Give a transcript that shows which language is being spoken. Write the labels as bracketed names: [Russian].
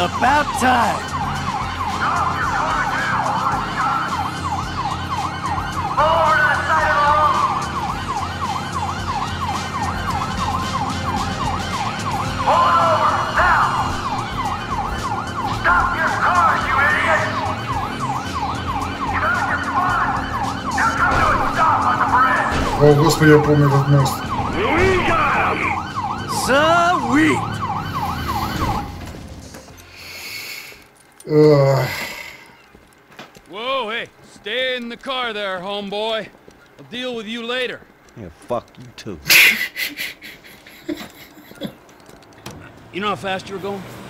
[English] Stop your car, get a hold of your car. You're coming to a stop on the bridge. [Russian] Oh, господи, я помню этот мост. [English] We got him. Sweet. Whoa, hey, stay in the car there, homeboy. I'll deal with you later. Yeah, fuck you too. You know how fast you were going?